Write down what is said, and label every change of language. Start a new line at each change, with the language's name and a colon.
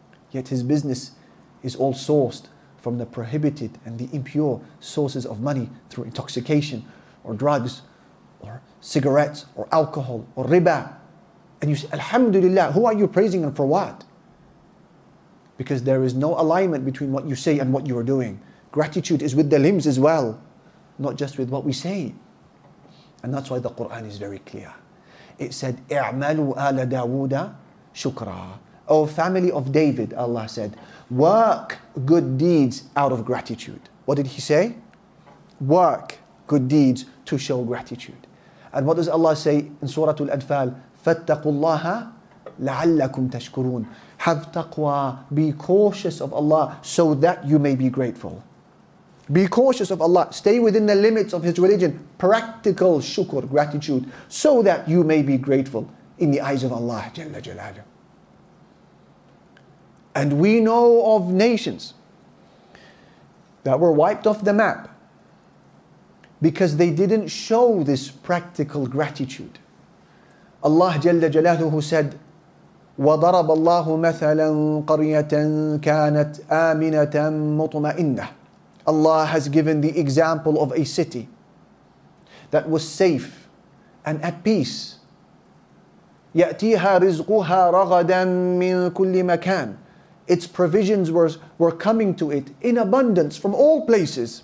English: Yet his business is all sourced from the prohibited and the impure sources of money through intoxication or drugs or cigarettes or alcohol or riba. And you say, Alhamdulillah, who are you praising and for what? Because there is no alignment between what you say and what you are doing. Gratitude is with the limbs as well, not just with what we say. And that's why the Quran is very clear. It said,
Arabic: اعملوا آل داوود شكرا.
English: O family of David, Allah said, work good deeds out of gratitude. What did he say? Work good deeds to show gratitude. And what does Allah say in Surah Al-Anfal?
Arabic: فَاتَّقُوا اللَّهَ لَعَلَّكُمْ تَشْكُرُونَ.
English: Have taqwa, be cautious of Allah so that you may be grateful. Be cautious of Allah, stay within the limits of his religion, practical shukr, gratitude, so that you may be grateful in the eyes of Allah Jalla Jalala. And we know of nations that were wiped off the map because they didn't show this practical gratitude. Allah Jalla Jalaluhu said,
Arabic: وَضَرَبَ اللَّهُ مَثَلًا قَرْيَةً كَانَتْ آمِنَةً مُطْمَئِنَّةً.
English: Allah has given the example of a city that was safe and at peace.
Arabic: يَأْتِيهَا رِزْقُهَا رَغَدًا مِّن كُلِّ مَكَانٍ.
English: Its provisions were coming to it in abundance from all places.